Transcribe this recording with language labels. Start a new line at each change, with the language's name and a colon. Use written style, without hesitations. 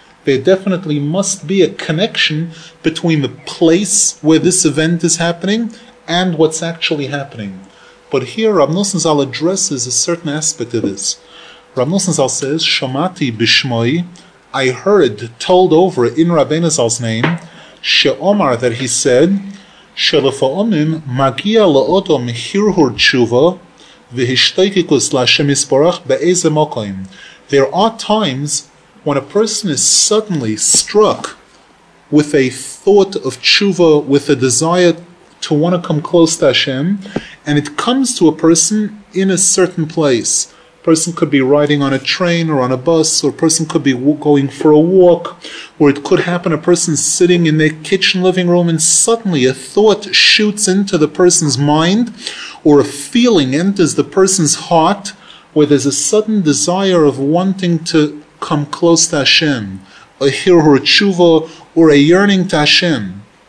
English: There definitely must be a connection between the place where this event is happening and what's actually happening. But here, Rav Nosson Zal addresses a certain aspect of this. Rav Nosson Zal says,
Hebrew: Shomati bishmoi,
English: I heard, told over in Rabbeinu Zal's name,
Hebrew: She'omar,
English: that he said,
Hebrew: שלפעמים מגיע לאותו מהרהור תשובה והשתוקקות להשם יתברך באיזה מקום.
English: There are times when a person is suddenly struck with a thought of tshuva, with a desire to want to come close to Hashem, and it comes to a person in a certain place. A person could be riding on a train or on a bus, or a person could be going for a walk, or it could happen a person sitting in their kitchen living room and suddenly a thought shoots into the person's mind, or a feeling enters the person's heart, where there's a sudden desire of wanting to come close to Hashem, a hirhur tshuva, or a yearning to Hashem.